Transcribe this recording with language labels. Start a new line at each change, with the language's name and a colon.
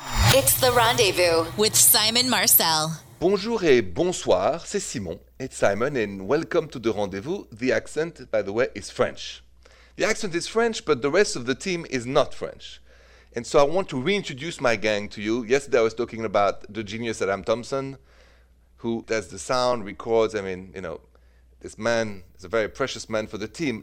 English: It's The Rendezvous with Simon Marcel.
French: Bonjour et bonsoir, c'est Simon.
English: It's Simon and welcome to The Rendezvous. The accent, by the way, is French. The accent is French, but the rest of the team is not French. And so I want to reintroduce my gang to you. Yesterday I was talking about the genius Adam Thompson, who does the sound, records, I mean, you know, this man is a very precious man for the team.